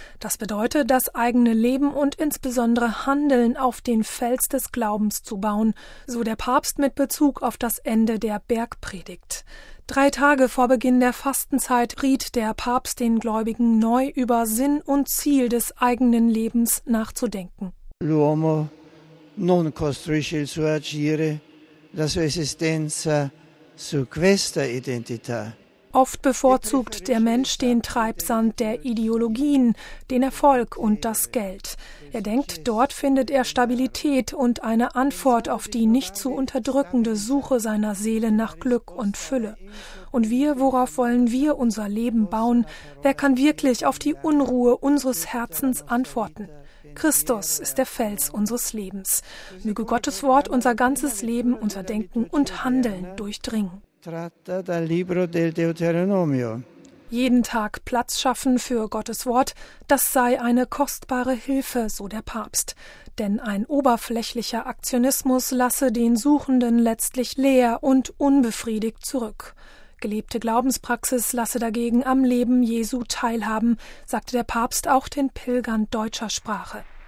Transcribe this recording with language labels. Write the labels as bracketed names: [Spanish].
[German] Das bedeutet, das eigene Leben und insbesondere Handeln auf den Fels des Glaubens zu bauen, so der Papst mit Bezug auf das Ende der Bergpredigt. 3 Tage vor Beginn der Fastenzeit riet der Papst den Gläubigen neu über Sinn und Ziel des eigenen Lebens nachzudenken. [Italian] L'uomo non costruisce il suo agire, la sua esistenza su questa identità. [German] Oft bevorzugt der Mensch den Treibsand der Ideologien, den Erfolg und das Geld. Er denkt, dort findet er Stabilität und eine Antwort auf die nicht zu unterdrückende Suche seiner Seele nach Glück und Fülle. Und wir, worauf wollen wir unser Leben bauen? Wer kann wirklich auf die Unruhe unseres Herzens antworten? Christus ist der Fels unseres Lebens. Möge Gottes Wort unser ganzes Leben, unser Denken und Handeln durchdringen. [Italian] Tratta dal libro del Deuteronomio. [German] Jeden Tag Platz schaffen für Gottes Wort, das sei eine kostbare Hilfe, so der Papst. Denn ein oberflächlicher Aktionismus lasse den Suchenden letztlich leer und unbefriedigt zurück. Gelebte Glaubenspraxis lasse dagegen am Leben Jesu teilhaben, sagte der Papst auch den Pilgern deutscher Sprache.